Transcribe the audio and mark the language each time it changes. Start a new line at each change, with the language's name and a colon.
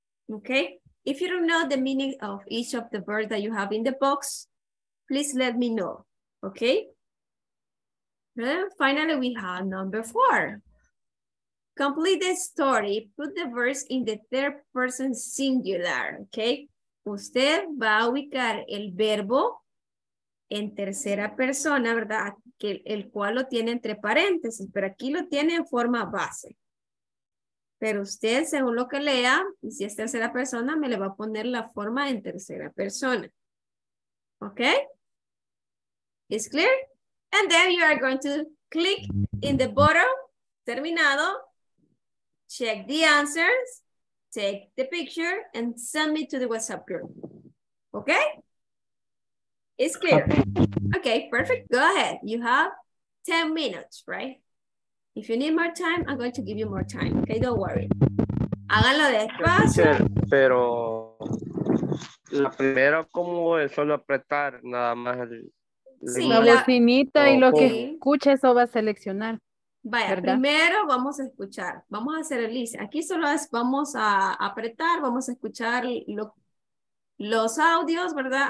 English: Okay, if you don't know the meaning of each of the verbs that you have in the box, please let me know, okay? And finally, we have number 4. Complete the story, put the verbs in the third person singular, okay?
Spanish: Usted va a ubicar el verbo en tercera persona, ¿verdad? Que el cual lo tiene entre paréntesis, pero aquí lo tiene en forma base. Pero usted, según lo que lea, y si es tercera persona, me le va a poner la forma en tercera persona. ¿Ok? ¿Es clear?
English: And then you are going to click in the bottom, terminado, check the answers, take the picture, and send me to the WhatsApp group. ¿Ok? It's clear. Okay, perfect. Go ahead. You have 10 minutes, right? If you need more time, I'm going to give you more time. Okay, don't worry.
Spanish: Háganlo despacio. Pero la primera, como es solo apretar nada más el. Sí, la bocinita y lo que escuche, eso va a seleccionar. Vaya, ¿verdad? Primero vamos a escuchar. Vamos a hacer el listen. Aquí solo es, vamos a apretar, vamos a escuchar los audios, ¿verdad?